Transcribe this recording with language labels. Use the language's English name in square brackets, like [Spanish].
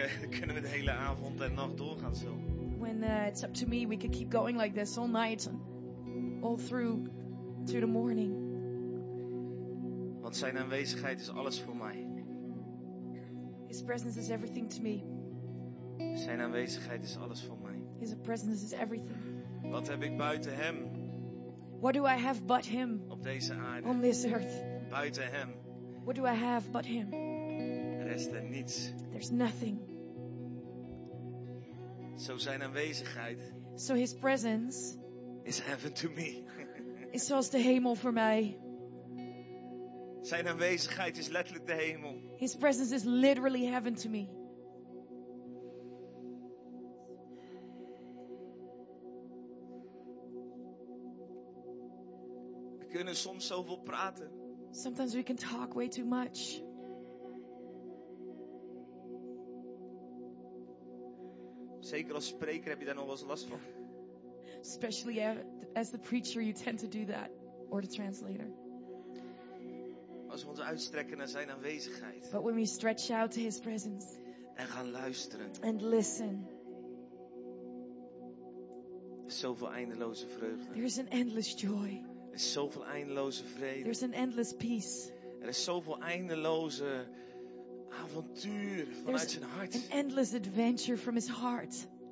[Dutch] kunnen we de hele avond en nacht doorgaan zo. [English] When it's up to me, we could keep going like this all night, all through the morning. [Dutch] Want zijn aanwezigheid is alles voor mij. [English] His presence is everything to me. [Dutch] Zijn aanwezigheid is alles voor mij. [English] His presence is everything. [Dutch] Wat heb ik buiten hem? [English] What do I have but him? [Dutch] Op deze aarde. [English] On this earth. [Dutch] Buiten hem. [English] What do I have but him? [Dutch] Er is er niets. [English] There's nothing. [Dutch] Zo zijn aanwezigheid. [English] So his presence is heaven to me. [Dutch] Is zoals de hemel voor mij. Zijn aanwezigheid is letterlijk de hemel. [English] His presence is literally heaven to me. [Dutch] We kunnen soms zoveel praten. [English] Sometimes we can talk way too much. [Dutch] Zeker als spreker heb je daar nog wel eens last van. [English] Especially as the preacher, you tend to do that, or the translator. [Dutch] Als we ons uitstrekken naar zijn aanwezigheid. [English] But when we stretch out to his presence. [Dutch] En gaan luisteren. [English] And listen. [Dutch] Zoveel eindeloze vreugde. [English] There's an endless joy. [Dutch] Er is zoveel eindeloze vrede. [English] There's an endless peace. [Dutch] Er is zoveel eindeloze avontuur vanuit zijn hart. [English] An endless adventure from his heart.